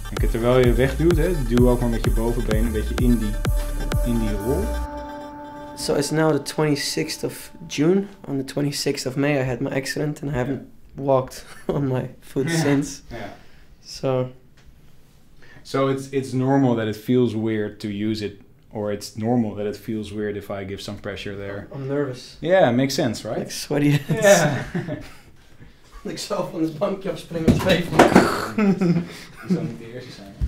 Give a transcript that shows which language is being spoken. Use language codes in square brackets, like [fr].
[nl] terwijl je wegduwt, hè, duw ook maar met je bovenbeen een beetje in die rol. [en] So it's now the 26th of June. On the 26th of May I had my accident and I haven't walked on my foot since. So it's normal that it feels weird to use it, or it's normal that it feels weird if I give some pressure there. I'm nervous. Yeah, makes sense, right? Like sweaty hands. Yeah. [nl] Ik zou van het bankje afspringen met twee van. Dat zou niet de eerste zijn.